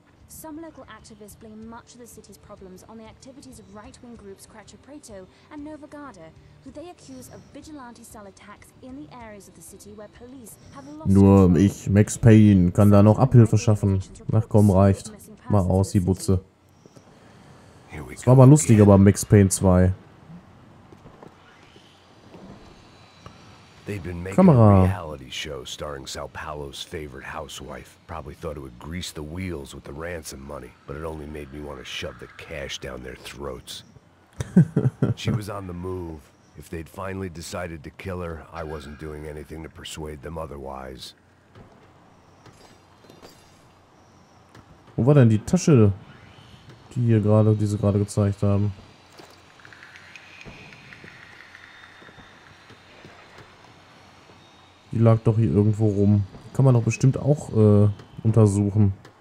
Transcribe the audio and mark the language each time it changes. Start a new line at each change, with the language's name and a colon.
English: Some local activists blame much of the city's problems on the activities of right-wing groups Cracho Preto and Nova Garda, who they accuse of vigilante-style attacks in the areas of the city where police have lost.
German: Nur ich, Max Payne, kann da noch Abhilfe schaffen. Na komm, reicht. Mach aus, die Butze. Es war mal lustiger bei Max Payne 2.
English: They've been making a reality show starring Sao Paulo's favorite housewife. Probably thought it would grease the wheels with the ransom money, but it only made me want to shove the cash down their throats. She was on the move. If they'd finally decided to kill her, I wasn't doing anything to persuade them otherwise.
German: Wo war denn die Tasche, die hier gerade, die sie gerade gezeigt haben? Die lag doch hier irgendwo rum. Kann man doch bestimmt auch untersuchen.